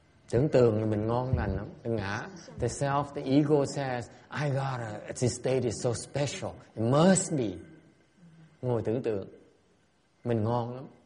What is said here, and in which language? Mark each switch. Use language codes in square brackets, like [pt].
[vi] Tưởng tượng là mình ngon lành lắm, ngã. [en] The self, the ego says, I got a, this state is so special, it must be. [vi] Ngồi tưởng tượng, mình ngon lắm.